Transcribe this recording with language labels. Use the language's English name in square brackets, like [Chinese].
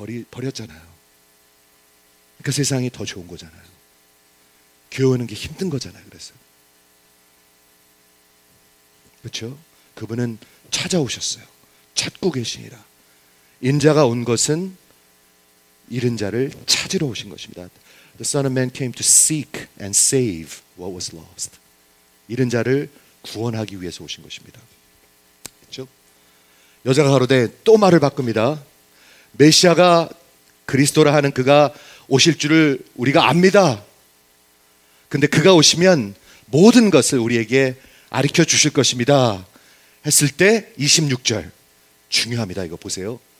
[Korean] 버렸잖아요. 그러니까 세상이 더 좋은 거잖아요. 교회 오는 게 힘든 거잖아요, 그래서. 그렇죠? 그분은 찾아오셨어요. 찾고 계시니라. 인자가 온 것은 잃은 자를 찾으러 오신 것입니다. [English] The Son of Man came to seek and save what was lost. [Korean] 잃은 자를 구원하기 위해서 오신 것입니다. 그렇죠? 여자가 가로대, 또 말을 바꿉니다. 메시아가 그리스도라 하는 그가 오실 줄을 우리가 압니다. 근데 그가 오시면 모든 것을 우리에게 아리켜 주실 것입니다 했을 때 26절 중요합니다. 이거 보세요.